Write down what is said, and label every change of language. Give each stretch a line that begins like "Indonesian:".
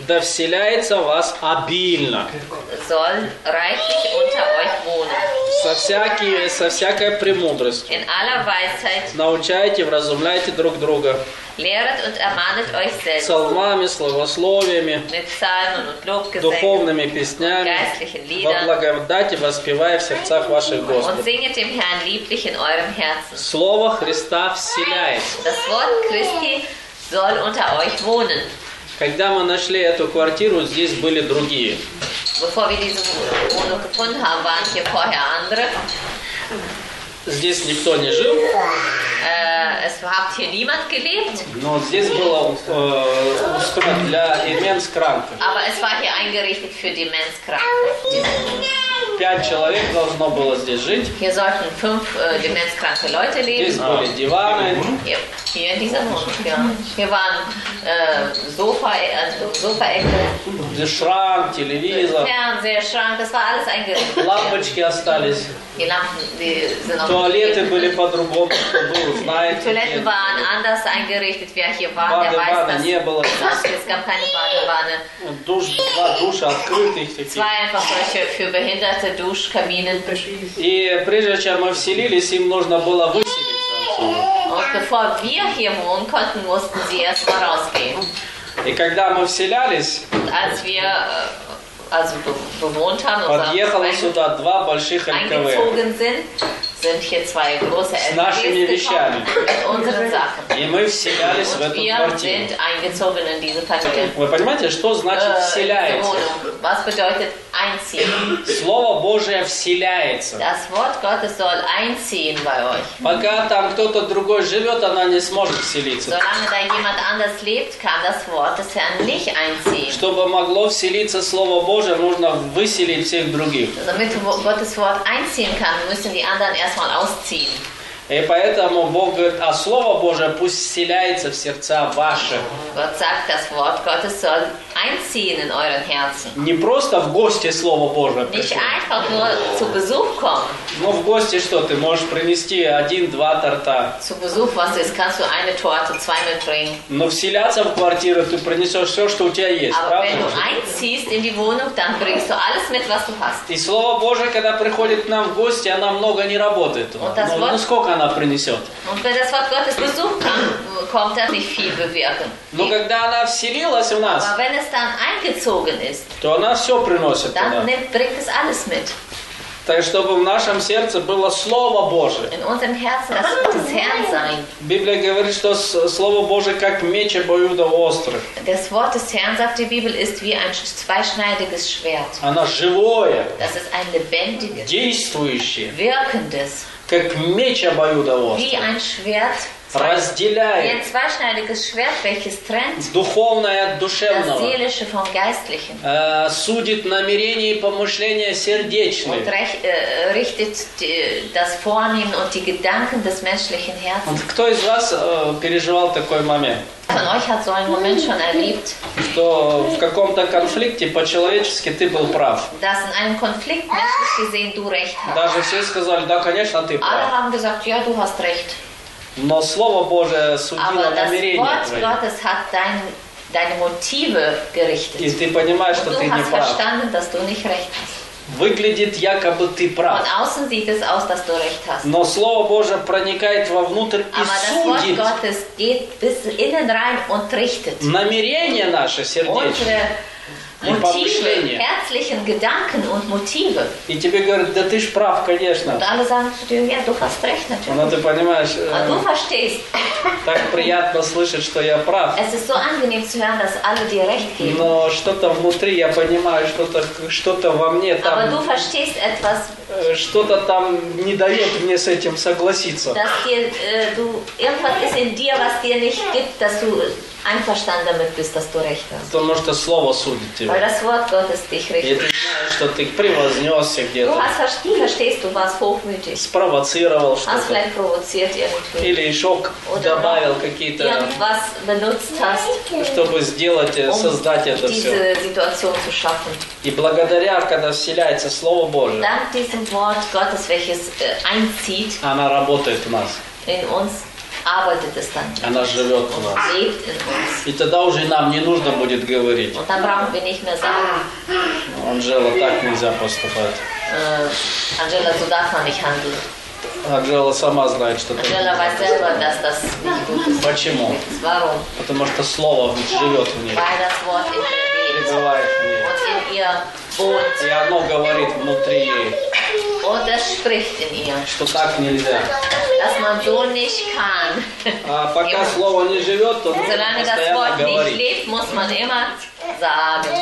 Russian: Да вселяется в вас обильно.
German: Soll reichlich unter euch wohnen.
Russian: Со всякой премудростью.
German: In aller Weisheit.
Russian: Научайте, вразумляйте друг друга.
German: Lehret und ermahnet euch selbst.
Russian: Псалмами, словословиями.
German: Mit Psalmen und Lobgesängen.
Russian: Духовными песнями.
German: Geistlichen Liedern.
Russian: Во благодати воспевая в сердцах ваших Господа.
German: Und singet dem Herrn lieblich in eurem Herzen.
Russian: Слово Христа вселяется.
German: Das Wort Christi. Soll unter euch wohnen.
Russian: Когда мы нашли эту квартиру, здесь были другие.
German: Bevor wir diese Wohnung gefunden haben, waren hier vorher andere.
Russian: Здесь никто не жил.
German: Es hat hier niemand gelebt.
Russian: Но здесь было устроено для деменскранков.
German: Aber es war hier eingerichtet für Demenzkranke.
Russian: 5 человек должно было здесь жить.
German: Hier sollten 5 demenzkranke Leute leben.
Russian: Здесь были диваны.
German: Hier in dieser Wohnung, ja. Hier waren Sofa-Ecke. Der Schrank, Televisor. Fernseher, Schrank, das war alles eingerichtet.
Russian: Лампочки остались.
German: Die Lampen, die sind auch
Russian: Туалеты были по-другому, чтобы вы знаете.
German: Die Toiletten waren anders eingerichtet, wer hier war, der weiß das.
Russian: Не было.
German: Es gab keine Badewanne.
Russian: Два душа открытых.
German: Zwei einfach solche für behinderte Duschkabinen.
Russian: И прежде чем мы вселились, им нужно было выселить.
German: Und bevor wir hier wohnen konnten, mussten sie erst mal rausgehen.
Russian: И когда мы вселялись,
German: als wir also bewohnt haben,
Russian: подъехало сюда два больших
German: LKW. Eingezogen sind hier zwei große LKWs
Russian: с нашими вещами.
German: Unseren Sachen.
Russian: И мы вселялись в эту квартиру.
German: Wir sind eingezogen in diese Quartier.
Russian: Вы понимаете, что значит вселяется?
German: Was bedeutet einziehen.
Russian: Слово Божие вселяется.
German: Das Wort Gottes soll einziehen bei euch.
Russian: Пока там кто-то другой живет, она не сможет вселиться.
German: Solange da jemand anders lebt, kann das Wort des Herrn nicht einziehen.
Russian: Чтобы могло вселиться Слово Божие, нужно выселить всех других.
German: Damit Gottes Wort einziehen kann, müssen die anderen erstmal ausziehen.
Russian: И поэтому Бог говорит, а Слово Божие пусть вселяется в сердца ваши.
German: Gott sagt, das Wort Gottes soll einziehen in euren Herzen.
Russian: Не просто в гости Слово Божие.
German: Nicht einfach nur zu Besuch kommen.
Russian: Ну в гости что, ты можешь принести 1-2 торта.
German: Zu Besuch, was ist, kannst du eine Torte, zwei mitbringen.
Russian: Но вселяться в квартиру ты принесешь все, что у тебя есть.
German: Aber wenn du einziehst in die Wohnung, dann bringst du alles mit, was du hast.
Russian: И Слово Божие, когда приходит к нам в гости, оно много не работает.
German: Und das Wort...
Russian: Ну сколько она принесет.
German: Und wenn das Wort Gottes Besuch kam, kommt das nicht viel bewirken.
Russian: Но когда она вселилась у нас,
German: aber wenn es dann eingezogen ist,
Russian: то она все приносит.
German: Dann bringt es alles mit.
Russian: Так чтобы в нашем сердце было Слово Божие.
German: In unserem Herzen das Wort des Herrn sein.
Russian: Библия говорит, что Слово Божие как меч обоюдово острый.
German: Das Wort des Herrn, sagt die Bibel, ist wie ein zweischneidiges Schwert.
Russian: Оно живое.
German: Das ist ein lebendiges.
Russian: Действующее.
German: Wirkendes.
Russian: Как меч обоюдоострый.
German: Wie ein Schwert
Russian: разделяет.
German: Jetzt wahrscheinlich Schwert, welches trennt.
Russian: Духовное от душевного.
German: Das Seelische vom Geistlichen.
Russian: Судит намерения и помышления сердечные.
German: Und richtet das Vornehmen und die Gedanken des menschlichen Herzens. Und
Russian: кто из вас переживал такой момент?
German: Von euch hat so einen Moment schon erlebt,
Russian: что в каком-то конфликте по-человечески ты был прав.
German: Dass in einem Konflikt menschlich gesehen du recht hast.
Russian: Даже все сказали, да, конечно, ты прав.
German: Alle haben gesagt, ja, du hast recht.
Russian: Но Слово Божие судило намерение твое.
German: Deine Motive gerichtet.
Russian: И ты понимаешь, что ты не прав.
German: Verstanden, dass du nicht recht hast.
Russian: Выглядит, якобы ты прав.
German: Von außen sieht es aus, dass du recht hast.
Russian: Но Слово Божие проникает вовнутрь и судит.
German: Aber das Wort Gottes geht bis innen rein und richtet.
Russian: Намерение наше сердечное. Мотивы,
German: herzlichen Gedanken und Motive.
Russian: И тебе говорят, да ты ж прав, конечно.
German: Und alle sagen zu dir, ja, du hast recht, natürlich.
Russian: Но ты понимаешь,
German: du verstehst.
Russian: Так приятно слышать, что я прав.
German: Es ist so angenehm zu hören, dass alle dir recht geben.
Russian: Но что-то внутри, я понимаю, что-то во мне там...
German: Aber du verstehst etwas.
Russian: Что-то там не дает мне с этим согласиться.
German: Dass dir, du, irgendwas ist in dir, was dir nicht gibt, dass du... Einverstanden damit bist, dass du recht hast.
Russian: Потому что слово судит тебя.
German: Weil das Wort Gottes dich richtet.
Russian: И ты знаешь, что ты превознесся где-то.
German: Du hast, verstehst, du warst hochmütig.
Russian: Спровоцировал что-то.
German: Hast vielleicht provoziert irgendwie.
Russian: Или еще добавил какие-то.
German: Irgendwas benutzt hast.
Russian: Чтобы сделать, создать это все.
German: Diese Situation zu schaffen.
Russian: И благодаря, когда вселяется Слово Божие.
German: Dank diesem Wort Gottes, welches einzieht.
Russian: Она работает в нас.
German: In uns. Arbeitet es dann.
Russian: Она живет у нас. И тогда уже нам не нужно будет говорить.
German: Und dann brauchen wir nicht mehr sagen.
Russian: Анжела, так нельзя поступать.
German: Анжела, so darf man nicht handeln.
Russian: Анжела сама знает, что ты.
German: Анжела weiß selber, dass das nicht gut ist.
Russian: Почему?
German: Warum?
Russian: Потому что слово живет в ней.
German: Weil das Wort in ihr lebt. Und in ihr wohnt.
Russian: И оно говорит внутри ей.
German: Und es spricht in ihr.
Russian: Что так нельзя.
German: Dass man so nicht kann.
Russian: А пока слово не живет, то нужно постоянно говорить.
German: Solange das Wort nicht lebt, muss man immer sagen.